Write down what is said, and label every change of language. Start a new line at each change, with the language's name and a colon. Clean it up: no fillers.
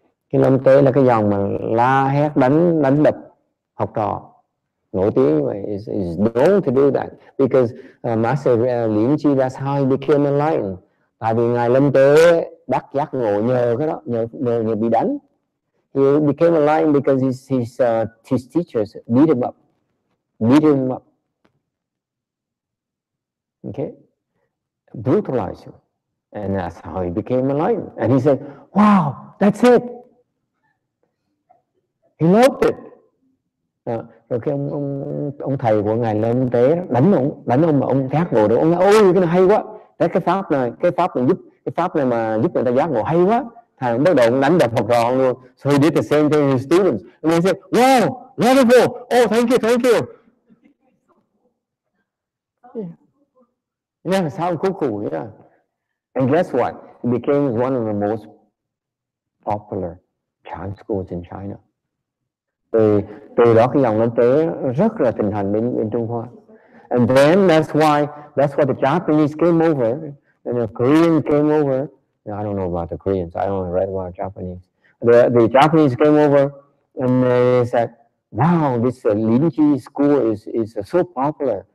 Vietnamese: Cái Lâm Tế là cái dòng mà la hét đánh đập học trò nổi tiếng vậy.
English: Is known to do that because Master Lin Chi, that's how he became enlightened.
Vietnamese: Tại vì ngài Lâm Tế đắc giác ngộ nhờ cái đó, nhờ bị đánh.
English: He became enlightened because his teachers beat him up, okay, brutalized him, and that's how he became enlightened. And he said, "Wow, that's it." He loved it.
Vietnamese: Rồi khi ông thầy của ngài lên tế đánh ông mà ông giác ngộ được, ông nói, "Ôi, cái này hay quá, đấy cái pháp này giúp người ta giác ngộ hay quá." Thầy bắt đầu đánh đập học trò luôn.
English: So he did the same thing to his students. And he said, "Wow, wonderful! Oh, thank you." Yeah, yeah, sound cuckoo, yeah. And guess what? He became one of the most popular Chan schools in China.
Vietnamese: Từ đó cái dòng lên tế rất là thịnh hành bên Trung Hoa.
English: And then that's why the Japanese came over and the Korean came over. I don't know about the Koreans. I only read about Japanese. The Japanese came over and they said, "Wow, this Linji school is so popular.